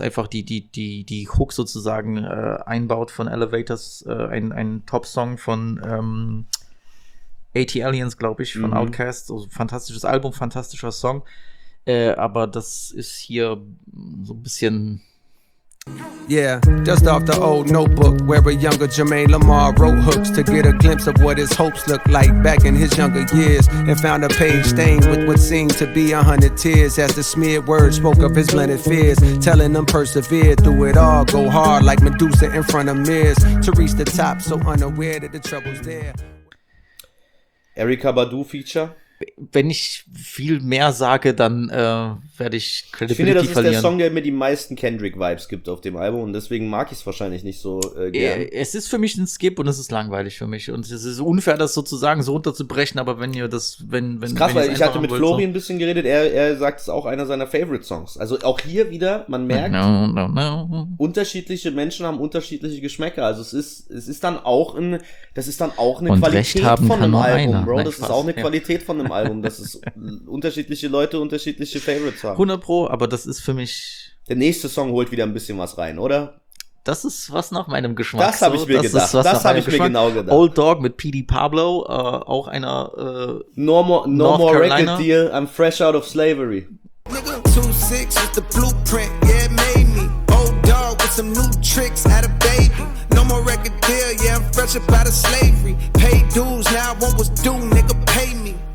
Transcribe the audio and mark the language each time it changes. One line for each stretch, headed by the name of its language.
German: Einfach die Hook sozusagen einbaut von Elevators, ein Top-Song von 80 Aliens, glaube ich, von Outkast. Also, fantastisches Album, fantastischer Song. Aber das ist hier so ein bisschen.
English: Yeah, dust off the old notebook where a younger Jermaine Lamar wrote hooks to get a glimpse of what his hopes looked like back in his younger years, and found a page stained with what seemed to be 100 tears as the smeared words spoke of his blended fears, telling them persevere through it all, go hard like Medusa in front of mirrors to reach the top, so unaware that the trouble's there.
German: Erykah Badu feature. Wenn ich viel mehr sage, dann werde ich Credibility verlieren. Ich finde, das ist der Song, der mir die meisten Kendrick-Vibes gibt auf dem Album und deswegen mag ich es wahrscheinlich nicht so gern. Es ist für mich ein Skip und es ist langweilig für mich und es ist unfair, das sozusagen so runterzubrechen, aber wenn ihr das, wenn krass, weil ich hatte mit Flori ein bisschen geredet, er sagt, es ist auch einer seiner Favorite-Songs. Also auch hier wieder, man merkt, unterschiedliche Menschen haben unterschiedliche Geschmäcker, also es ist dann auch eine und Qualität Recht haben von kann einem Album, einer. Bro. Nein, das ist auch eine Qualität von einem Album, dass es unterschiedliche Leute unterschiedliche Favorites haben. 100 Pro, aber das ist für mich. Der nächste Song holt wieder ein bisschen was rein, oder? Das ist was nach meinem Geschmack. Das habe ich mir so, gedacht. Das habe ich mir genau gedacht. Old Dog mit P.D. Pablo, auch einer.
English: No more record deal, I'm fresh out of slavery. 2-6 with the blueprint, yeah, it made me. Old Dog with some new tricks, had a baby. No more record deal, yeah, I'm fresh up out of slavery. Pay dues, now I want what's due, nigga, pay me.